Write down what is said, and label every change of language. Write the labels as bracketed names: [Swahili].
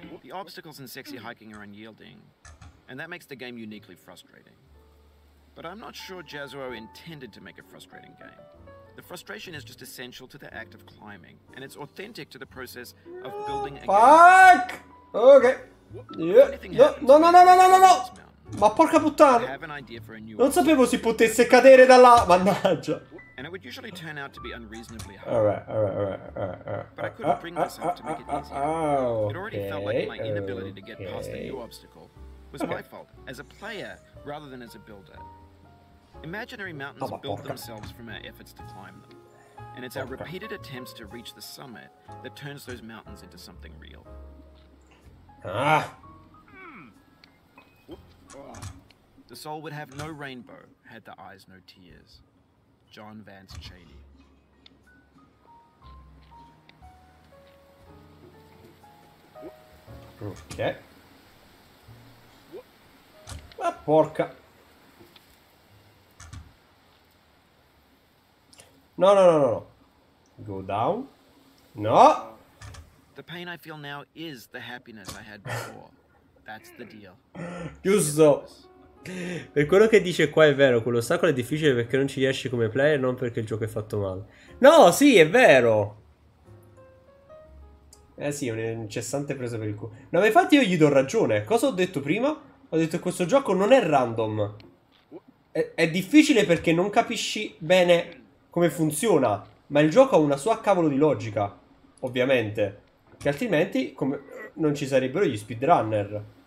[English] Obstacles and sexy hiking are unyielding, and that makes the game uniquely frustrating. But I'm not sure Jazuo intended to make a frustrating game. The frustration is just essential to the act of climbing, and it's authentic to the process of building a fuck! game. Fuck! Okay. Yeah. [Italian] No, no, no, no, no, no, no! Ma porca puttana! Non sapevo si potesse cadere da là! Mannaggia! [English] And it would usually turn out to be unreasonably hard. All right. But I couldn't bring myself to make it easier. It already felt like my inability to get past the new obstacle was my fault, as a player rather than as a builder. Imaginary mountains build themselves from our efforts to climb them. And it's our repeated attempts to reach the summit that turns those mountains into something real. Ah! The soul would have no rainbow had the eyes no tears. John Vance Cheney. Ok. [Italian] Ma porca. [English] No, no, no, no, no. Go down. No. The pain I feel now is the happiness I had before. That's the deal. [Italian] Giusto. Per quello che dice qua è vero, quell'ostacolo è difficile perché non ci riesci come player, non perché il gioco è fatto male. No, sì, è vero. Eh sì, un incessante preso per il culo. No, ma infatti io gli do ragione. Cosa ho detto prima? Ho detto questo gioco non è random. È difficile perché non capisci bene come funziona, ma il gioco ha una sua cavolo di logica, ovviamente, che altrimenti come non ci sarebbero gli speedrunner.